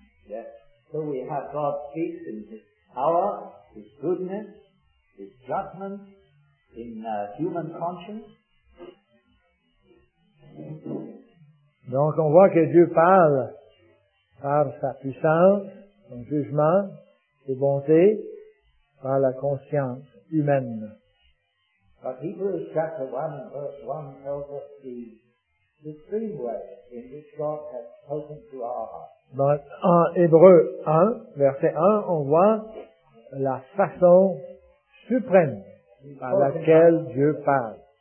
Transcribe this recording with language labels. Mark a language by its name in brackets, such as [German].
[English] Yes. So we have God speaks in His power, His goodness, His judgment, in human conscience. [French] Donc on voit que Dieu parle par sa puissance, son jugement, ses bontés, par la conscience humaine. [English] But Hebrews chapter 1 verse 1 tells us the supreme way in which God has spoken to our hearts. [French] Donc en Hébreux 1, verset 1, on voit la façon suprême par laquelle Dieu parle.